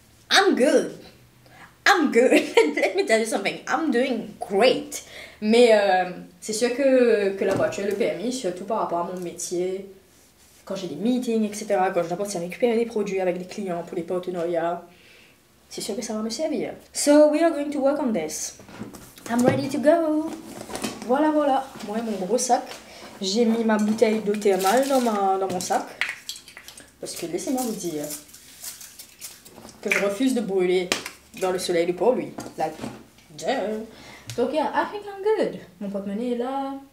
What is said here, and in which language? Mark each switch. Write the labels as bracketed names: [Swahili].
[English] I'm good. I'm good. Let me tell you something. I'm doing great. [French] Mais c'est sûr que la voiture, le permis, surtout par rapport à mon métier... Quand j'ai des meetings, etc., quand je dois partir récupérer des produits avec des clients pour les partenariats, c'est sûr que ça va me servir. [English] So, we are going to work on this. I'm ready to go. [French] Voilà, voilà. Moi et mon gros sac. J'ai mis ma bouteille d'eau thermale dans mon sac. Parce que laissez-moi vous dire que je refuse de brûler dans le soleil de pour lui. [English] Like, duh. [French] Donc, [English] yeah, I think I'm good. [French] Mon porte-monnaie est là.